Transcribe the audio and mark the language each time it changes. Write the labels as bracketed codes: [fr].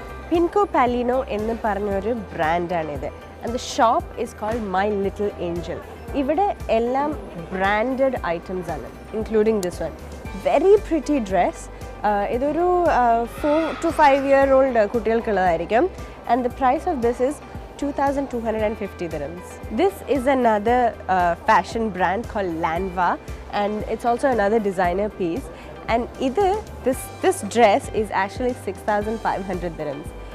[ml] പിൻകോ പാലിനോ എന്ന് പറഞ്ഞൊരു ബ്രാൻഡാണിത്. [en] And the shop is called my little angel. [ml] ഇവിടെ എല്ലാം ബ്രാൻഡഡ് ഐറ്റംസ് ആണ്, [en] Including this one. Very pretty dress. [ml] ഇതൊരു [en] 4 to 5 year old [ml] കുട്ടികൾക്കുള്ളതായിരിക്കും. [en] And the price of this is 2,250 dirhams. This is another fashion brand call Lanvin and it's also another designer piece. And this dress is actually 6,500 dirhams.